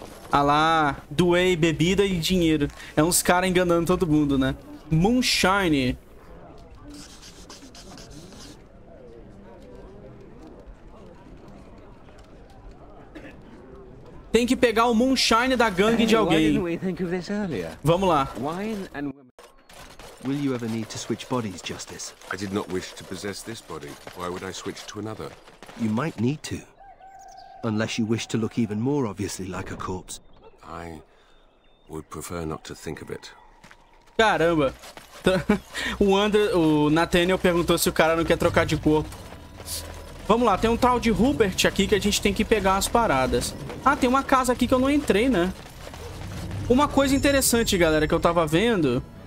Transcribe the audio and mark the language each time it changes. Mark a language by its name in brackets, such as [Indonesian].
[Portuguese] Ah lá, doei bebida e dinheiro. É uns caras enganando todo mundo, né? [English] Moonshine. [Portuguese] Tem que pegar o Moonshine da gangue de alguém. Vamos lá. [English] Will you ever need to switch bodies, Justice? I did not wish to possess this body. Why would I switch to another? You might need to. Unless you wish to look even more obviously like a corpse. I would prefer not to think of it. [Portuguese] Caramba. O Nathaniel perguntou se o cara não quer trocar de corpo. Vamos lá, tem um tal de Hubert aqui que a gente tem que pegar as paradas. Ah, tem uma casa aqui que eu não entrei, né? Uma coisa interessante, galera, que eu tava vendo...